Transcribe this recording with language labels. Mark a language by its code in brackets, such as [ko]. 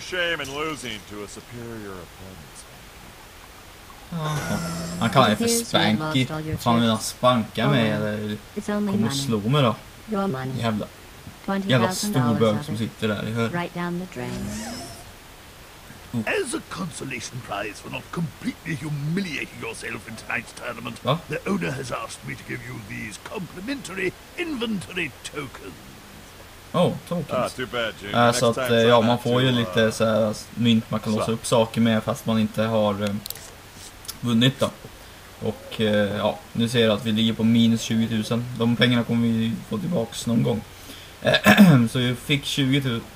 [en] shame in losing to a superior opponent. [sv] Han kallar det för spanky. Fan, vill han spanka mig eller kommer och slå mig då? Jävla, jävla stor bög som sitter där i hörn. [en] Right down the drain. As a consolation prize for not completely humiliating yourself in tonight's tournament, [sv] va? [en] The owner has asked me to give you these complimentary inventory tokens. Oh, tokens. Ah, too bad, Jim. [sv] Så att ja, man får ju lite så här mynt man kan låsa upp saker med fast man inte har vunnit då. Och ja, nu ser jag att vi ligger på minus 20 000. De pengarna kommer vi få tillbaka någon gång. Så vi fick 20 000.